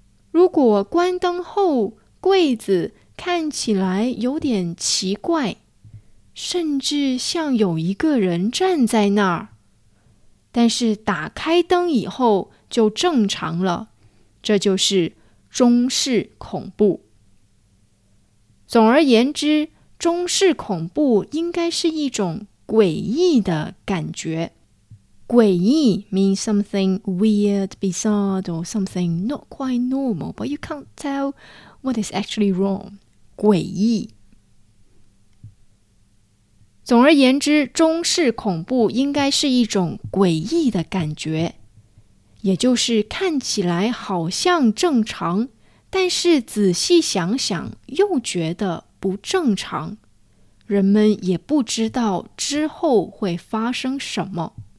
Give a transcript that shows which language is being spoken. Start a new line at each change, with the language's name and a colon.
Chinese: 如果关灯后柜子看起来有点奇怪，甚至像有一个人站在那儿，但是打开灯以后就正常了，这就是中式恐怖。总而言之，中式恐怖应该是一种诡异的感觉。
English: 诡异 means something weird, bizarre, or something not quite normal, but you can't tell what is actually wrong.
Chinese: 诡异。总而言之，中式恐怖应该是一种诡异的感觉，也就是看起来好像正常，但是仔细想想又觉得不正常，人们也不知道之后会发生什么。